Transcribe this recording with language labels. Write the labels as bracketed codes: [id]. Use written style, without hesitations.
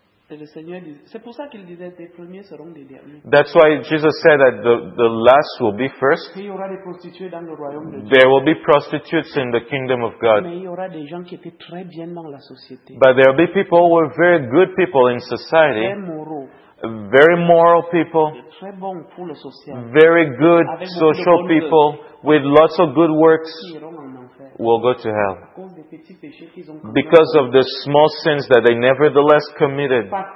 [fr] Et le Seigneur dit, c'est pour ça qu'il disait les premiers seront les derniers. [en] That's why Jesus said that the last will be first. [fr] Il y aura des prostituées dans le royaume de Dieu. [en] There will be prostitutes in the kingdom of God. [fr] Mais il y aura des gens qui étaient très bien dans la société. [en] But there will be people who were very good people in society. [fr] Très moraux. [en] Very moral people. [fr] Très bon pour le social. [en] Very good social people with lots of good works. Will go to hell. Because of the small sins that they nevertheless committed.